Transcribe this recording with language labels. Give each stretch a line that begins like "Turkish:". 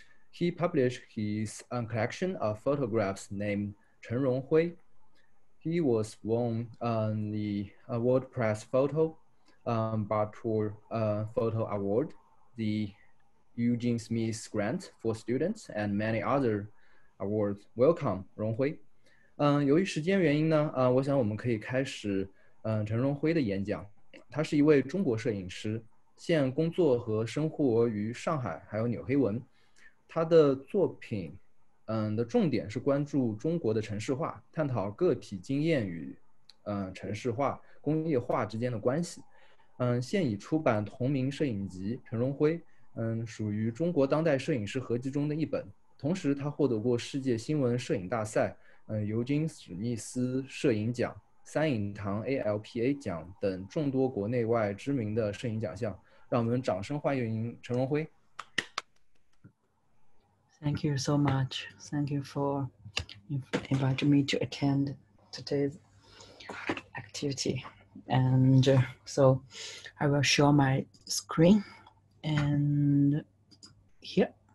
English: He published his collection of photographs named Chen Ronghui. He was won the World Press Photo Bartour Photo Award, the Eugene Smith Grant for Students, and many other awards. Welcome, Ronghui.
Chinese: 由于时间原因呢，我想我们可以开始陈荣辉的演讲。他是一位中国摄影师，现工作和生活于上海还有纽黑文。他的作品的重点是关注中国的城市化，探讨个体经验与城市化、工业化之间的关系。现已出版同名摄影集《陈荣辉》，属于中国当代摄影师合集中的一本。同时，他获得过世界新闻摄影大赛、尤金·史密斯摄影奖、三影堂 ALPA 奖等众多国内外知名的摄影奖项。让我们掌声欢迎陈荣辉。
English: Thank you so much. Thank you for inviting me to attend today's activity. And so I will share my screen. And here.